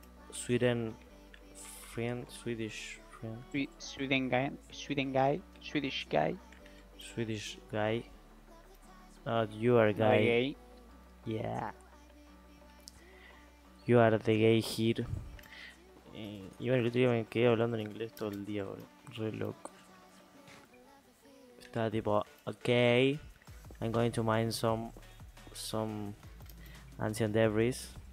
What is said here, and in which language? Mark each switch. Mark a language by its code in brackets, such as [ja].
[en] Sweden friend, Swedish friend, Swedish guy. Swedish guy, not your [es] No es [en] guy, gay. yeah, you are the gay here. [es] Y bueno, el otro día me quedé hablando en inglés todo el día, boludo, re loco. Estaba tipo, [en] okay, I'm going to mine some ancient debris.